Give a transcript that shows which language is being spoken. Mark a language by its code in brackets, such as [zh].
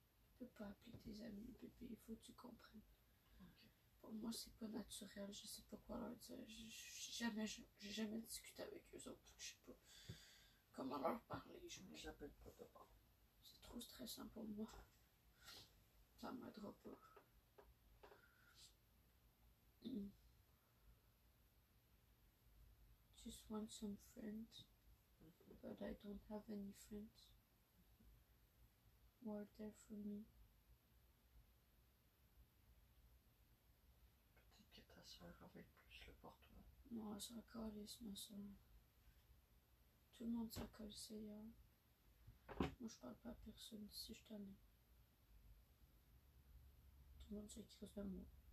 [fr] Je peux pas appeler tes amis, bébé, il faut que tu comprennes. Okay. Pour moi, c'est pas naturel, je sais pas quoi leur dire. J'ai jamais discuté avec eux autres, je sais pas comment leur parler. J'appelle pas de part. C'est trop stressant pour moi. Ça m'aidera pas. [en] I just want some friends, but I don't have any friends who are there for me. [fr] Peut-être que ta soeur avait plus le porte-là. Non, elle s'en calisse, ma soeur. Tout le monde s'en calisse, hein. Moi, je parle pas à personne si je t'en ai. Tout le monde s'en calisse à moi.